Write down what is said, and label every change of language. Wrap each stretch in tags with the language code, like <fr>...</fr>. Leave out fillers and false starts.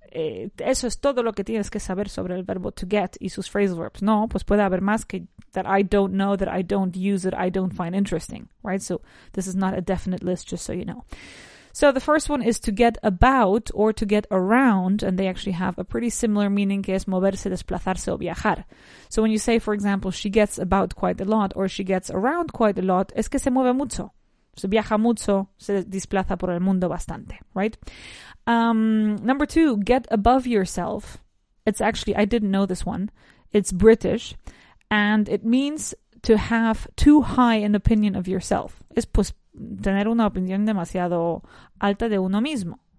<es>eso es todo lo que tienes que saber sobre el verbo to get y sus phrasal verbs. No, pues puede haber más que</es> <en>that I don't know, that I don't use it, I don't find interesting, right? So this is not a definite list, just so you know. So the first one is to get about or to get around, and they actually have a pretty similar meaning,</en> <es>que es moverse, desplazarse o viajar.</es> <en>So when you say, for example, she gets about quite a lot or she gets around quite a lot,</en> <es>es que se mueve mucho. Se viaja mucho, se desplaza por el mundo bastante, right?</es> <en>Number two, get above yourself. It's actually, I didn't know this one. It's British. And it means to have too high an opinion of yourself.</en> <es>Es pues tener una opinión demasiado alta de uno mismo.</es>